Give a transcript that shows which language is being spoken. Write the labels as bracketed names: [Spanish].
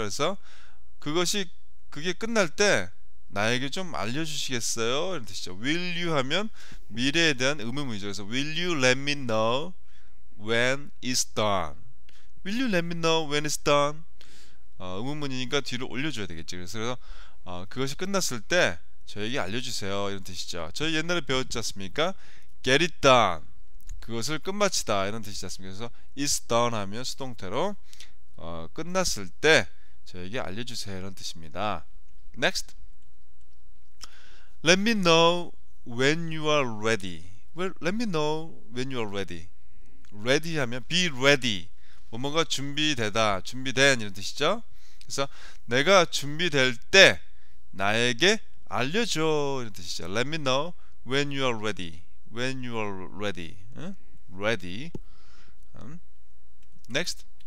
[Korean] 그래서 그게 끝날 때 나에게 좀 알려주시겠어요? 이런 뜻이죠. [English] Will you [Korean] 하면 미래에 대한 의문문이죠. 그래서 [English] will you let me know when it's done? Will you let me know when it's done? [Korean] 의문문이니까 뒤로 올려줘야 되겠죠. 그래서 그것이 끝났을 때 저에게 알려주세요, 이런 뜻이죠. 저희 옛날에 배웠지 않습니까? [English] Get it done. [Korean] 그것을 끝마치다, 이런 뜻이지 않습니까? 그래서 [English] it's done [Korean] 하면 수동태로 끝났을 때 저에게 알려주세요 이런 뜻입니다. [English] Next. Let me know when you are ready. Well, let me know when you are ready. Ready [Korean] 하면 [English] be ready. [Korean] 뭔가 준비되다, 준비된 이런 뜻이죠. 그래서 내가 준비될 때 나에게 알려줘 이런 뜻이죠. [English] Let me know when you are ready. When you are ready. Ready. Next.